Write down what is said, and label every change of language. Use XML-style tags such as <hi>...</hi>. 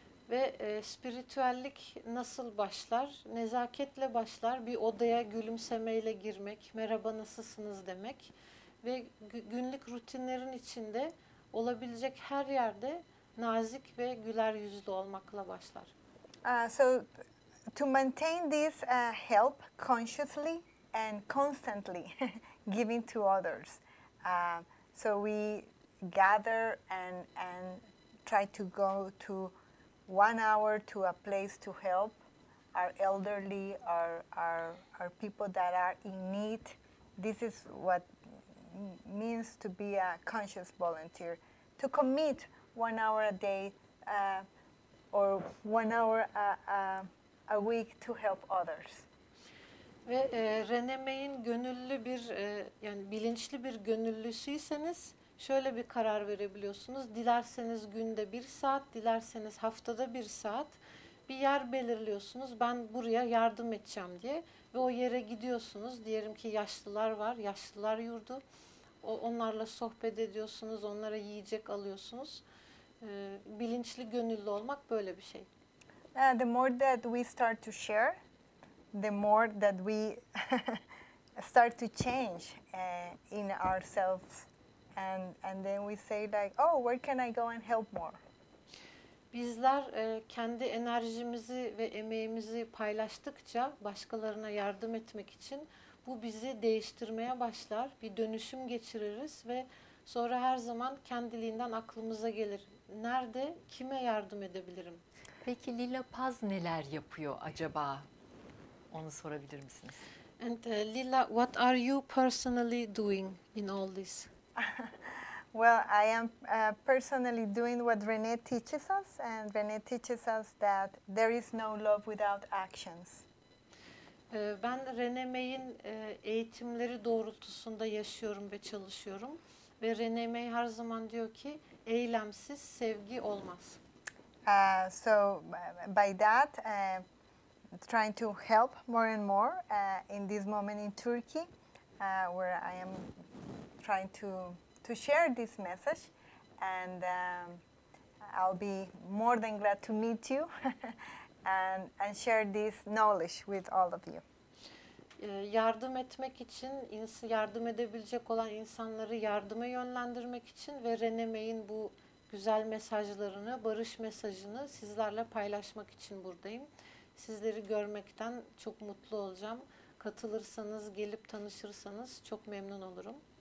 <tr>Ve spiritüellik nasıl başlar? Nezaketle başlar. Bir odaya gülümsemeyle girmek, merhaba nasılsınız demek ve günlük rutinlerin içinde olabilecek her yerde nazik ve güler yüzlü olmakla başlar.</tr> <en>So to maintain this help consciously and constantly giving to others. So we gather and try to go to 1 hour to a place to help our elderly, our people that are in need. This is what means to be a conscious volunteer, to commit 1 hour a day or 1 hour a week to help others.</en> <tr>Ve Rene May'in gönüllü bir yani bilinçli bir gönüllüsüyseniz Şöyle bir karar verebiliyorsunuz. Dilerseniz günde bir saat, dilerseniz haftada bir saat bir yer belirliyorsunuz. Ben buraya yardım edeceğim diye ve o yere gidiyorsunuz. Diyelim ki yaşlılar var, yaşlılar yurdu. Onlarla sohbet ediyorsunuz, onlara yiyecek alıyorsunuz. Bilinçli gönüllü olmak böyle bir şey.</tr> <en>The more that we start to share, the more that we start to change in ourselves. And then we say like, oh, where can I go and help more?</en> <tr>Bizler kendi enerjimizi ve emeğimizi paylaştıkça başkalarına yardım etmek için bu bizi değiştirmeye başlar. Bir dönüşüm geçiririz ve sonra her zaman kendiliğinden aklımıza gelir. Nerede, kime yardım edebilirim? Peki Lila Paz neler yapıyor acaba? Onu sorabilir misiniz?</tr> <en>And Lila, what are you personally doing in all this? Well, I am personally doing what Rene teaches us, and Rene teaches us that there is no love without actions.</en> <tr>Ben Rene May'in eğitimleri doğrultusunda yaşıyorum ve çalışıyorum. Ve Rene May her zaman diyor ki, eylemsiz sevgi olmaz.</tr> <en>So by that, trying to help more and more in this moment in Turkey, where I am trying to share this message, and I'll be more than glad to meet you and share this knowledge with all of you.</en> <tr>Yardım etmek için, yardım edebilecek olan insanları yardıma yönlendirmek için ve Rene May'in bu güzel mesajlarını, barış mesajını sizlerle paylaşmak için buradayım. Sizleri görmekten çok mutlu olacağım. Katılırsanız, gelip tanışırsanız çok memnun olurum.</tr>